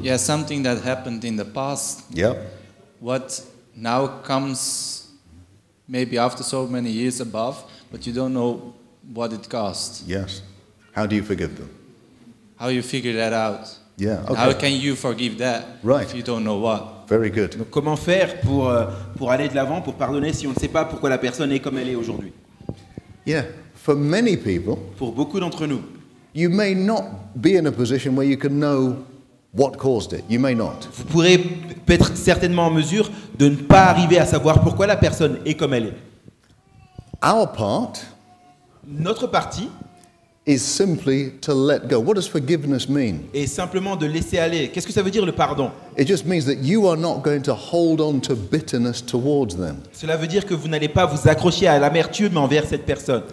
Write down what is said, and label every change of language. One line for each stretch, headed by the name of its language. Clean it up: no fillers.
English: Yeah, something that happened in the past. Yeah. What now comes maybe after so many years above, but you don't know what it cost. Yes. How do you forgive them? How you figure that out? Yeah. Okay. How can you forgive that? Right. If you don't know what? Very good.
French: Donc comment faire pour aller de l'avant, pour pardonner si on ne sait pas pourquoi la personne est comme elle est aujourd'hui?
English: Yeah, for many people,
French: pour beaucoup d'entre nous,
English: you may not be in a position where you can know what caused it. You may not.
French: Vous pourrez être certainement en mesure de ne pas arriver à savoir pourquoi la personne est comme elle est.
English: Our part,
French: notre partie,
English: is simply to let go. What does forgiveness mean?
French: Est simplement de laisser aller. Qu'est-ce que ça veut dire le pardon?
English: It just means that you are not going to hold on to bitterness towards them.
French: Cela veut dire que vous n'allez pas vous accrocher à l'amertume envers cette personne.